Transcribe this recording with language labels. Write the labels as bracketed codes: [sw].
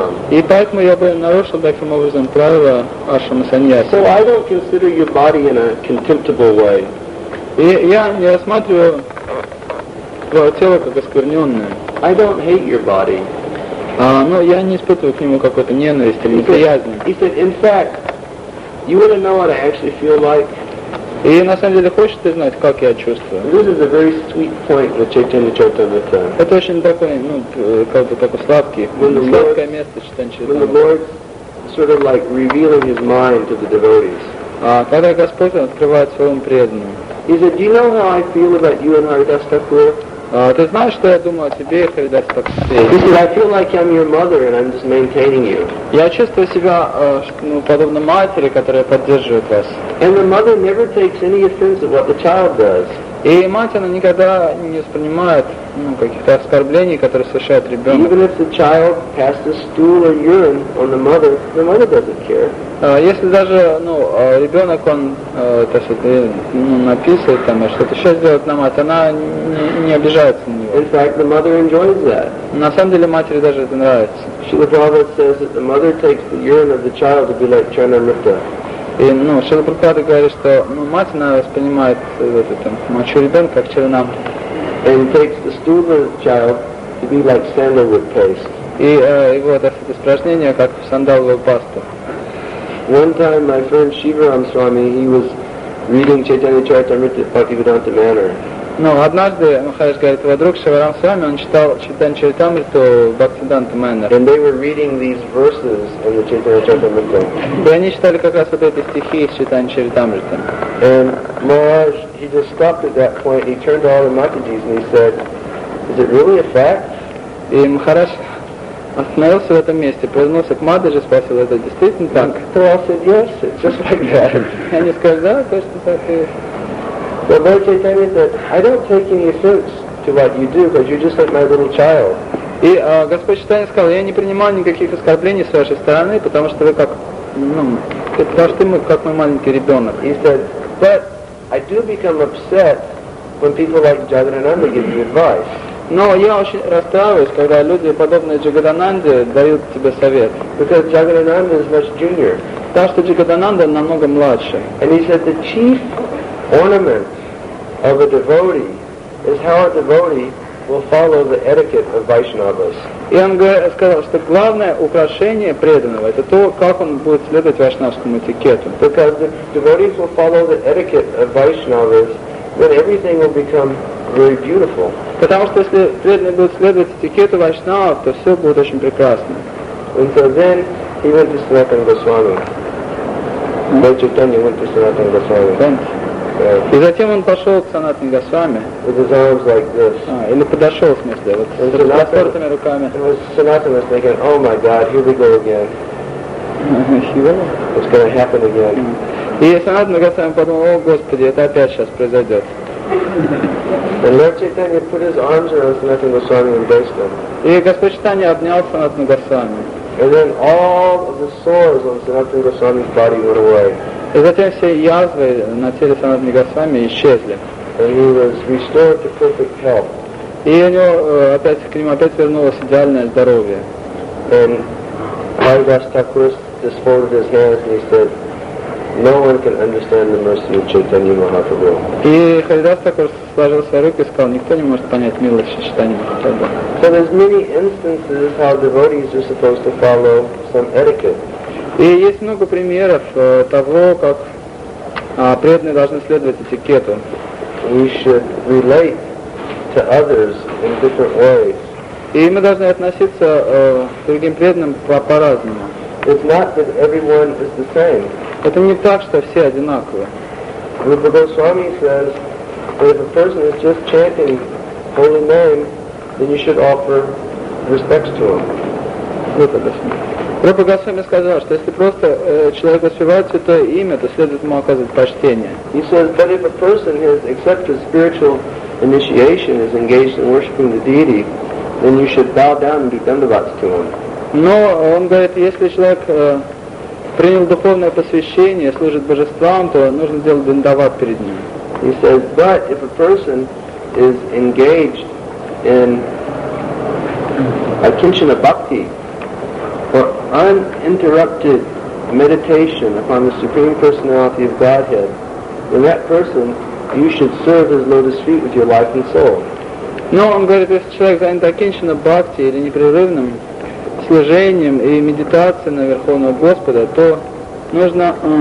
[ru] И поэтому я бы нарушил таким образом правила ашрама саньяси. [en] So I don't consider your body in a contemptible way. [ru] И я не рассматриваю тело как оскверненное. [en] I don't hate your body. [ru] Но я не испытываю к нему какой-то ненависть или неприязнь. [en] He said, in fact, you want to know what I actually feel like? [ru] И на самом деле хочешь ты знать, как я чувствую? [en] This is a very sweet point with Chaitanya Charitamrita. [ru] Это очень такой, как бы такой сладкое место Chaitanya Charitamrita. [en] When the Lord sort of like revealing his mind to the devotees. [ru] Когда Господь открывает своему преданному. [en] He said, do you know how I feel about you and Haridas Thakur? [ru] Ты знаешь, что я думаю о тебе и Харидас Такур? [en] He said, I feel like I'm your mother and I'm just maintaining you. [ru] Я чувствую себя подобно матери, которая поддерживает вас. [en] And the mother never takes any offense at what the child does. [ru] И мать, она никогда не воспринимает каких-то оскорблений, которые совершает ребенок. [en] Even if the child passes stool or urine on the mother doesn't care. [ru] Если даже ребенок написывает там что-то еще сделает на мать, она не обижается на него. [en] In fact, the mother enjoys that. [ru] На самом деле матери даже это нравится. [en] Srila Prabhupada says that the mother takes the urine of the child to be like Charanamrita. [ru] И Srila Prabhupada говорит, что мать она воспринимает мочу ребенка как Чаранамрита. [en] And takes the stool of the child to be like sandalwood paste. [ru] И это упражнение как сандаловую пасту. [en] One time my friend Shivaram Swami, he was reading Chaitanya Charitamrita at Bhaktivedanta Manor. [ru] Однажды Махарадж говорит, его друг Шиварам Свами, он читал Chaitanya Charitamrita в Bhaktivedanta Manor. [en] And they were reading these verses in the Chaitanya Charitamrita. [ru] И они читали как раз эти стихи из Chaitanya Charitamrita. [en] And Maharaj, he just stopped at that point, he turned to all the Matajis and he said, is it really a fact? [ru] И Махарадж остановился в этом месте, повернулся к Мадхаджи, спросил, это действительно так? [en] They all said yes, it's just like that. [ru] Они сказали, да, точно так и есть. [en] But Lord Chaitanya said, I don't take any offense to what you do, because you're just like my little child. [ru] И Господь Чайтанья сказал, я не принимаю никаких оскорблений с вашей стороны, потому что вы как, потому что ты как мой маленький ребенок. [en] He said, but I do become upset when people like Jagannanda give you advice. [ru] Но я очень расстраиваюсь, когда люди, подобные Джагадананде, дают тебе совет. [en] Because Jagadananda is much junior. [ru] Потому что Джагадананда намного младше. [en] And he said the chief ornament of a devotee is how a devotee will follow the etiquette of Vaishnavas. [ru] И он сказал, что главное украшение преданного это то, как он будет следовать вайшнавскому этикету. [en] Because the devotees will follow the etiquette of Vaishnavas, then everything will become very beautiful. [ru] Потому что если преданный будет следовать этикету вайшнавов, то все будет очень прекрасно. [en] And so then he went to Sanatana Goswami. Lord Chaitanya went to Sanatana Goswami. [ru] И затем он пошел к Санатане Госвами. [en] With his arms like this. [ru] Или подошел, в смысле, с распростертыми руками. [en] And Sanatana was thinking, oh my God, here we go again. It's going to happen again. [ru] И Санатана Госвами подумал, о Господи, это опять сейчас произойдет. [en] And Lord Chaitanya put his arms around Sanatana Goswami and embraced him. [ru] И Господь Чайтанья обнял Санатану Госвами. [en] And then all of the sores on Sanatana Goswami's body went away. [ru] И затем все язвы на теле Санатана Госвами исчезли. [en] And he was restored to perfect health. [ru] И у него опять к нему опять вернулось идеальное здоровье. [en] And Haridas Thakur just folded his hands and he said, no one can understand the mercy of Chaitanya Mahaprabhu. [ru] И Харидас Такур сложил свои руки и сказал, никто не может понять милость Чайтаньи Махапрабху. [en] So there's many instances how devotees are supposed to follow some etiquette. [ru] И есть много примеров того, как преданные должны следовать этикету. [en] We should relate to others in different ways. [ru] И мы должны относиться к другим преданным по-разному. [en] It's not that everyone is the same. [ru] Это не так, что все одинаковы. [en] Rupa Goswami says, that if a person is just chanting holy name, then you should offer respects to him. Rupa Goswami. [ru] Прабху Госвами сказал, что если просто человек воспевает святое имя, то следует ему оказывать почтение. [en] He says, but if a person has accepted spiritual initiation, is engaged in worshiping the deity, then you should bow down and be dandavats to him. [ru] Но он говорит, если человек принял духовное посвящение, служит божествам, то нужно делать дандават перед ним. [en] He says, but if a person is engaged in akinchana bhakti, for uninterrupted meditation upon the Supreme Personality of Godhead, then that person, you should serve his lotus feet with your life and soul. [ru] Но он говорит, если человек занят акинчана бхакти или непрерывным служением и медитацией на Верховного Господа, то нужно